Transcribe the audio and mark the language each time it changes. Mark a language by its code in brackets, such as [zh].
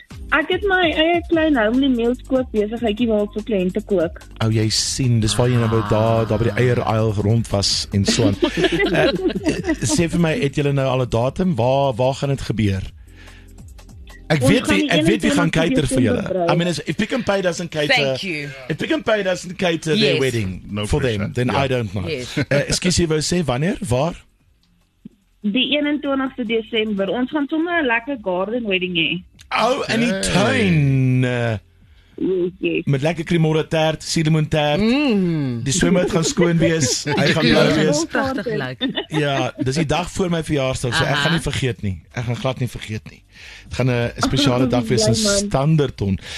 [af] Ek het my eie klein [en] homely meals [af] koop besigheidjie waar ek vir kliënte kook. Ou jy sien, dis waar jy nou daar by die eier aisle rond was en so aan. sê vir my, het julle nou al 'n datum? Waar gaan dit gebeur? Ek weet wie gaan cater vir julle. [en] I mean, if Pick n Pay doesn't cater, thank you. If Pick n Pay doesn't cater yes. their wedding no for them, sure. then yeah. I don't know. Excuse me, [af] sê wanneer? Waar? Die 21ste Desember. Ons gaan sommer 'n lekker garden wedding hê. Oh, in die tuin. Met lekker Cremora taart, suurlemoen taart. Mm. Die swemmer gaan skoon wees. Hy gaan blou wees. Pragtig lyk. Ja, dis die dag voor my verjaarsdag, so ek gaan nie vergeet nie. Ek gaan glad nie vergeet nie. Dit gaan 'n spesiale dag wees in Standerton.